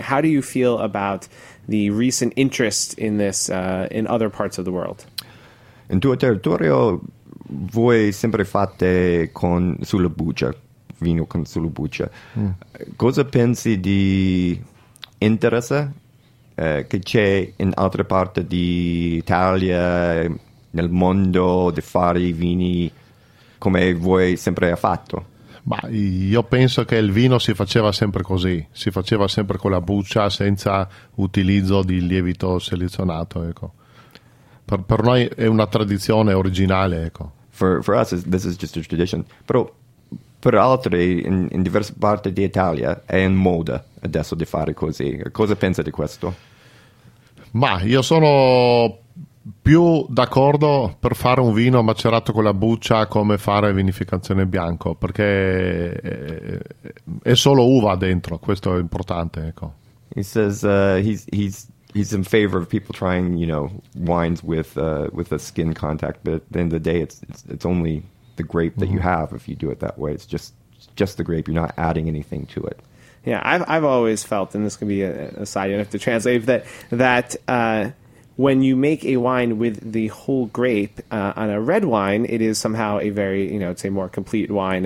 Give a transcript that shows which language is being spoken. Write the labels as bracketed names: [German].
[English] How do you feel about the recent interest in this in other parts of the world? [Italian] In tuo territorio, voi sempre fate con sulla buccia, vino con sulla buccia. Cosa pensi di interesse che c'è in altre parti d'Italia, nel mondo, di fare i vini come voi sempre ha fatto? Ma io penso che il vino si faceva sempre così, si faceva sempre con la buccia, senza utilizzo di lievito selezionato, ecco. Per noi è una tradizione originale, ecco. [English] For us, this is just a tradition. [Italian] Però per altri, in diverse parti d'Italia, è in moda adesso di fare così. Cosa pensa di questo? Ma io sono più d'accordo per fare un vino macerato con la buccia come fare vinificazione bianco, perché è solo uva dentro. Questo è importante, ecco. [English] He says he's in favor of people trying, you know, wines with a skin contact, but at the end of the day, it's only the grape that mm-hmm. you have if you do it that way. It's just the grape. You're not adding anything to it. Yeah, I've always felt, and this can be a side, you don't have to translate, when you make a wine with the whole grape on a red wine, it is somehow a very, you know, it's a more complete wine.